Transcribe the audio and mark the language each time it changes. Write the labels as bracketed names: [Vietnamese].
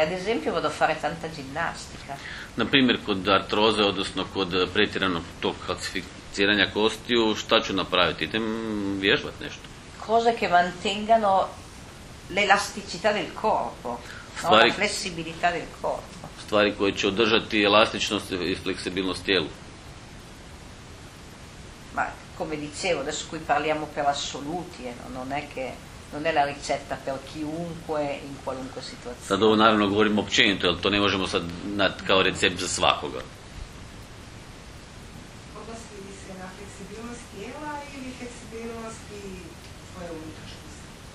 [Italian] Ad esempio vado a fare tanta ginnastica. [Croatian] Na primjer kod artroze, odnosno kod pretjeranog tog kalcificiranja kostiju, šta ću napraviti? Idem vježbat nešto. [Italian] Cose che mantengano l'elasticità del corpo, [Croatian] stvari, [Italian] no, la flessibilità del corpo. [Croatian] Stvari koje će održati elastičnost i fleksibilnost tijelu. [Italian] Ma, come dicevo, adesso qui parliamo per assoluti, non è che non è la ricetta per chiunque in qualunque situazione. [Croatian] Sad ovo naravno govorimo općenito, jel to ne možemo sad na kao recept za svakoga. Odnosi li se na fleksibilnost tijela ili fleksibilnost i svoje unutrašnjosti?